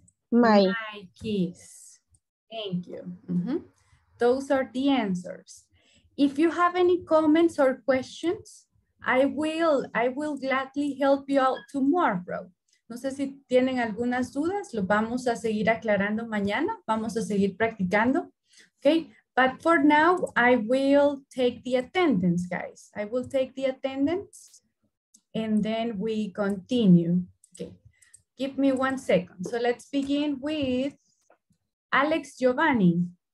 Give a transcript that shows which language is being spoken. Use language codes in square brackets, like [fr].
[en] my keys. Thank you. Mm-hmm. Those are the answers. If you have any comments or questions, I will gladly help you out tomorrow. [es] No sé si tienen algunas dudas, lo vamos a seguir aclarando mañana. Vamos a seguir practicando. Okay. [en] But for now, I will take the attendance, guys. I will take the attendance. And then we continue. Okay, give me one second. So let's begin with Alex Giovanni.